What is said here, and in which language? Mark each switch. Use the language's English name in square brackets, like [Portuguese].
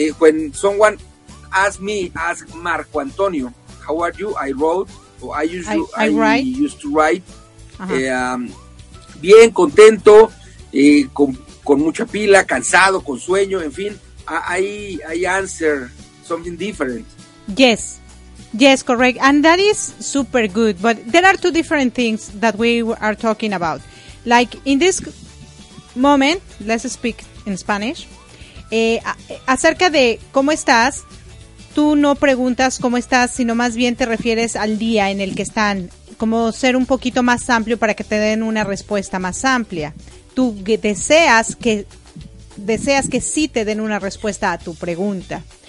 [English] When someone asks Marco Antonio, how are you? I wrote, or I used to write. Uh-huh. [Spanish] Bien, contento, con mucha pila, cansado, con sueño, en fin. [English] I answer something different. Yes. Yes, correct. And that is super good. But there are two different things that we are talking about. Like in this moment, let's speak in Spanish. [Spanish] Acerca de cómo estás, tú no preguntas cómo estás, sino más bien te refieres al día en el que están. Como ser un poquito más amplio para que te den una respuesta más amplia. Tú deseas que sí te den una respuesta a tu pregunta.